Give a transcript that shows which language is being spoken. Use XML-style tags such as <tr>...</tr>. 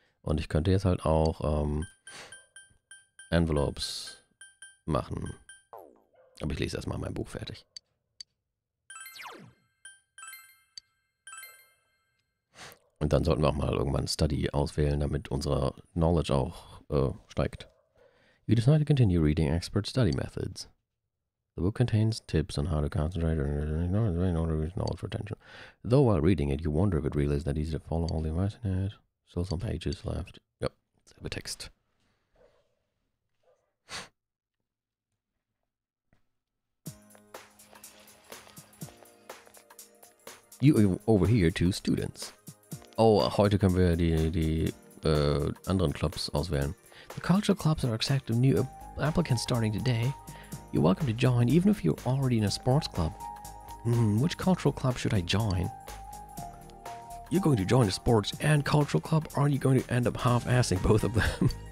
<de>Und ich könnte jetzt halt auch Envelopes machen. Aber ich lese erstmal mein Buch fertig. Und dann sollten wir auch mal irgendwann Study auswählen, damit unser Knowledge auch steigt.</de> <en>You decide to continue reading expert study methods. The book contains tips on how to concentrate in order to reach knowledge retention. Though while reading it, you wonder if it really is that easy to follow all the advice in it. Still some pages left. Yep,</en> <de>selber Text.</de> <en>You overhear two students.</en> <de>Oh, heute können wir die anderen Clubs auswählen.</de> <en>The cultural clubs are accepting new applicants starting today. You're welcome to join, even if you're already in a sports club. Which cultural club should I join? You're going to join a sports and cultural club, or are you going to end up half-assing both of them?</en>